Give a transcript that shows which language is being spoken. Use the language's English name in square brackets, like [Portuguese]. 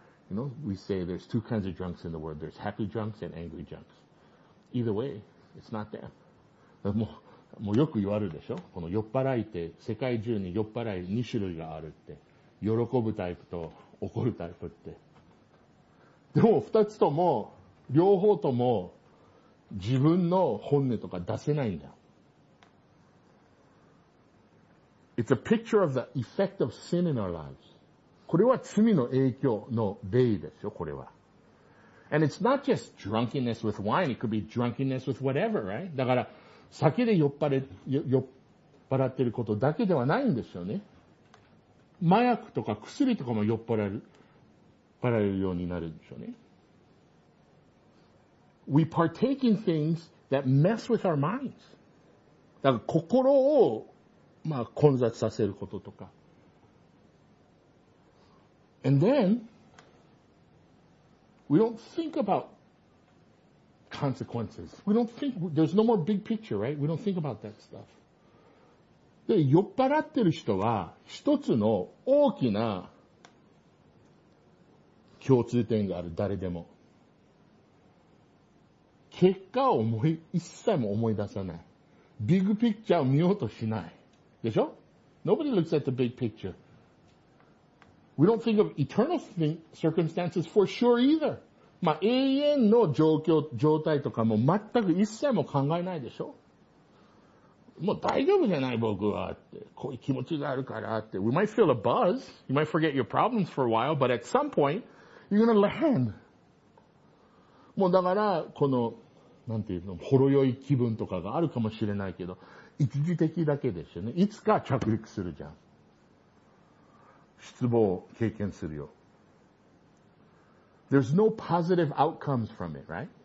[English] You know, we say there's two kinds of drunks in the world. There's happy drunks and angry drunks. Either way, it's not them. [Japanese] もうもうよく言われるでしょ。この酔っ払いって世界中に酔っ払い2種類があるって。喜ぶタイプと怒るタイプって。でも2つとも、両方とも自分の本音とか出せないんだ。 [English] It's a picture of the effect of sin in our lives. [Japanese] これは罪の影響の例ですよ、これは。 [English] And it's not just drunkenness with wine, it could be drunkenness with whatever, right? [Japanese] だから、酒で酔っ払ってることだけではないんですよね。麻薬とか薬とかも酔っ払えるようになるんでしょうね。 [English] We partake in things that mess with our minds. [Japanese] だから心を、まあ、混雑させることとか。 [English] And then, we don't think about consequences. We don't think, there's no more big picture, right? We don't think about that stuff. [Japanese] で、酔っ払ってる人は一つの大きな共通点がある、誰でも。結果を一切思い出さない。ビッグピクチャーを見ようとしない。でしょ? [English] Nobody looks at the big picture. We don't think of eternal circumstances for sure either. [Japanese] まあ、永遠の状況、状態とかも全く一切も考えないでしょ? もう大丈夫じゃない僕はって。こういう気持ちがあるからって。 [English] We might feel a buzz. You might forget your problems for a while, but at some point, you're gonna land. [Japanese] もうだから、この、なんていうの、ほろ酔い気分とかがあるかもしれないけど、一時的だけですよね。いつか着陸するじゃん。失望を経験するよ。 [English] There's no positive outcomes from it, right?